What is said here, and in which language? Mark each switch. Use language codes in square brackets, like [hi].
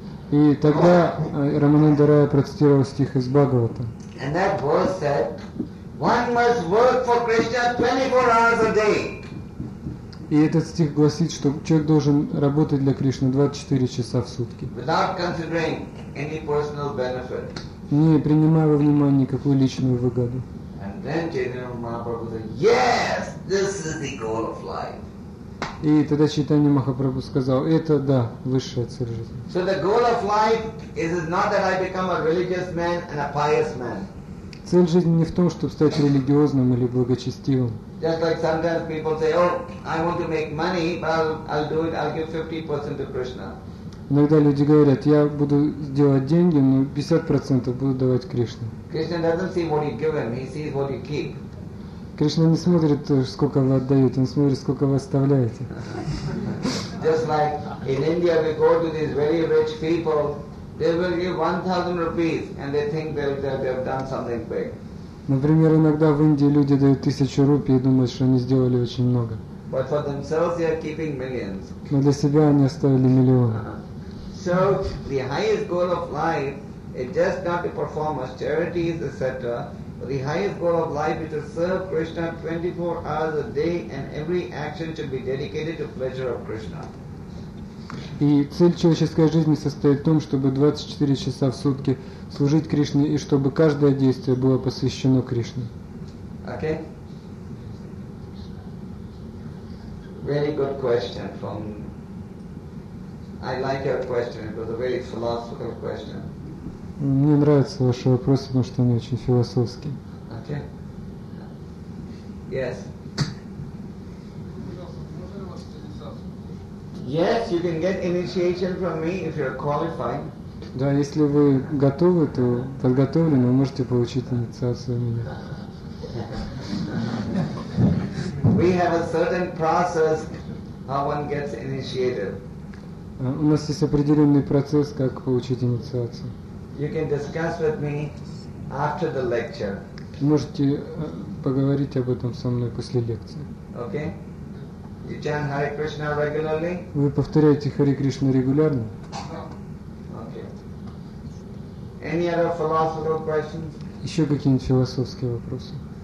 [ru] И тогда Рамананда Рая процитировал стих из Бхагавата. [en] And that verse said, one must work for Krishna 24 hours a day. [ru] И этот стих гласит, что человек должен работать для Кришны 24 часа в сутки. [en] Without considering any personal benefit. [ru] Не принимая во внимание никакую личную выгоду. [en] And then Chaitanya Mahaprabhu said, yes, this is the goal of life. [ru] И тогда Чайтанья Махапрабху сказал, это да, высшая цель жизни. [en] So the goal of life is not that I become a religious man and a pious man. [ru] Цель жизни не в том, чтобы стать религиозным или благочестивым. [en] Just like sometimes people say, oh, I want to make money, but I'll do it, I'll give 50% to Krishna. [ru] Иногда люди говорят, я буду делать деньги, но 50% буду давать Кришне. [en] Krishna doesn't see what you give him, he sees what you keep. [ru] Кришна не смотрит, сколько вы отдаете, он смотрит, сколько вы оставляете. [en] Just like in India we go to these very rich people, they will give 1,000 rupees and they think they have done something big. [ru] Например, иногда в Индии люди дают 1,000 рупий и думают, что они сделали очень много. [en] But for themselves they are keeping millions. [ru] Но для себя они оставили миллион. [en] So the highest goal of life is just not to perform austerities, etc. But the highest goal of life is to serve Krishna 24 hours a day and every action should be dedicated to pleasure of Krishna. [ru] И цель человеческой жизни состоит в том, чтобы 24 часа в сутки служить Кришне и чтобы каждое действие было посвящено Кришне. [en] Okay. Very good question from... I like your question. It was a very philosophical question. [ru] Мне нравятся ваши вопросы, потому что они очень философские. [en] Okay. Yes. Yes, you can get initiation from me if you're qualified. [ru] Да, если вы готовы, то подготовлены, вы можете получить инициацию у меня. [en] We have a certain process how one gets initiated. [ru] У нас есть определенный процесс, как получить инициацию. [en] You can discuss with me after the lecture. [ru] Можете поговорить об этом со мной после лекции. [en] Okay. You chant Hare Krishna regularly? [ru] Вы повторяете Хари Кришну регулярно? [en] Okay. Any other philosophical questions? [ru] Еще какие-нибудь философские вопросы?